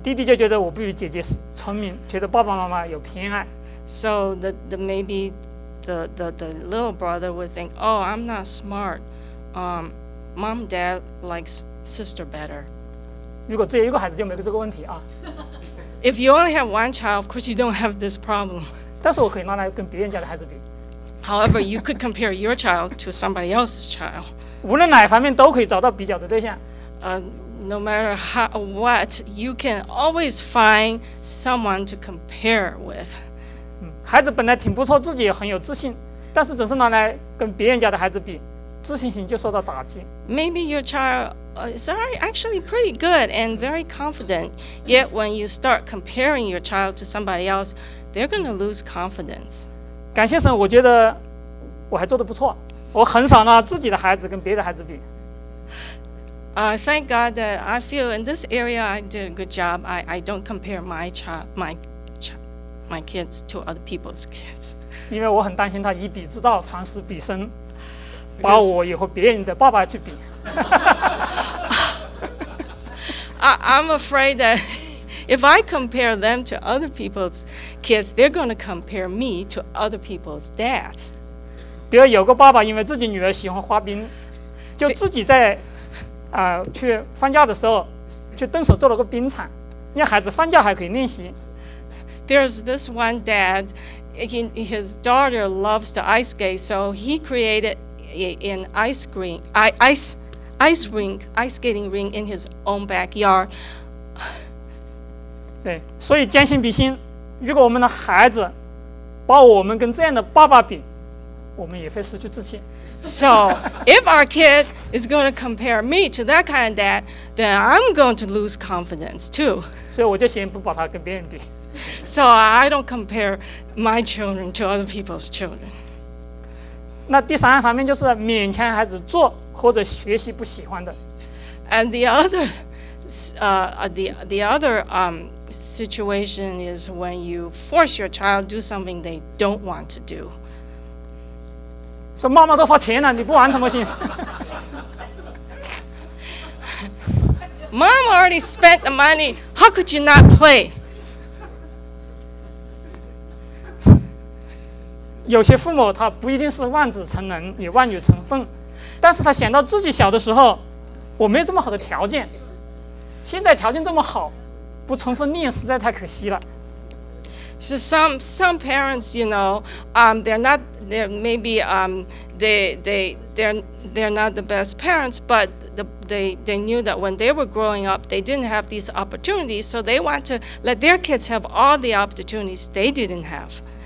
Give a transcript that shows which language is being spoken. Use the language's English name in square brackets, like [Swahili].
[Chinese] 弟弟就觉得我不如姐姐聪明，觉得爸爸妈妈有偏爱。 [English] So the little brother would think, "Oh, I'm not smart. Mom, dad likes sister better." [Chinese] 如果只有一个孩子，就没有这个问题啊。 [English] If you only have one child, of course you don't have this problem. [Chinese] 但是我可以拿来跟别人家的孩子比。 [English] However, you could compare your child to somebody else's child. [Chinese] 无论哪方面都可以找到比较的对象。 [English] No matter what, you can always find someone to compare with. [Chinese] 孩子本来挺不错，自己也很有自信，但是总是拿来跟别人家的孩子比，自信心就受到打击。 [English] Maybe your child. Sorry, actually pretty good and very confident. Yet when you start comparing your child to somebody else, they're going to lose confidence. [Chinese] 感谢神，我觉得我还做得不错。我很少拿自己的孩子跟别的孩子比。 [English] Thank God that I feel in this area I did a good job. I don't compare my child, my kids to other people's kids. [Chinese] 因为我很担心他以彼之道还施彼身，把我也和别人的爸爸去比。 [English] I'm afraid that if I compare them to other people's kids, they're going to compare me to other people's dads. [Chinese] 比如有个爸爸因为自己女儿喜欢滑冰，就自己在去放假的时候去动手做了个冰场，让孩子放假还可以练习。 [English] There's this one dad, his daughter loves to ice skate, so he created an ice skating rink in his own backyard. [Chinese] 对，所以将心比心，如果我们的孩子把我们跟这样的爸爸比，我们也会失去志气。 [English] So if our kid is going to compare me to that kind of dad, then I'm going to lose confidence too. [Chinese] 所以我就先不把他跟别人比。 [English] So I don't compare my children to other people's children. [Chinese] 那第三方面就是勉强孩子做或者学习不喜欢的。 [English] And the other situation is when you force your child to do something they don't want to do. [Chinese] 说妈妈都花钱了，你不玩怎么行？ [English] Mom already spent the money. How could you not play? [Chinese] 有些父母他不一定是望子成龙，也望女成凤，但是他想到自己小的时候，我没有这么好的条件，现在条件这么好，不充分练实在太可惜了。 [English] So some parents, you know, they're not the best parents, but they knew that when they were growing up, they didn't have these opportunities, so they want to let their kids have all the opportunities they didn't have.